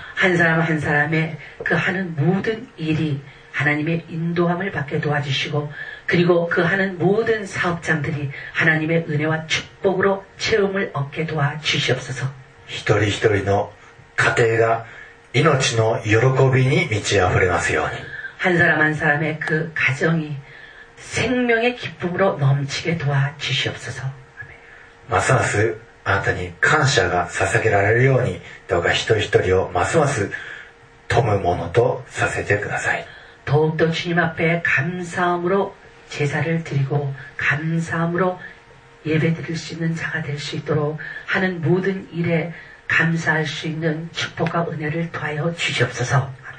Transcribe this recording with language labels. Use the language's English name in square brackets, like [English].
[Korean] 한사람한사람의그하는모든일이하나님의인도함을받게도와주시고그리고그하는모든사업장들이하나님의은혜와축복으로체험을얻게도와주시옵소서 [Japanese] 一人一人の家庭が命の喜びに満ち溢れますように [Korean] 한사람한사람의그가정이생명의기쁨으로넘치게도와주시옵소서 [Japanese] ますますあなたに感謝が捧げられるようにどうか一人一人をますます富むものとさせてください [Korean] 더욱더주님앞에감사함으로제사를드리고감사함으로예배드릴수있는자가될수있도록하는모든일에감사할수있는축복과은혜를더하여주시옵소서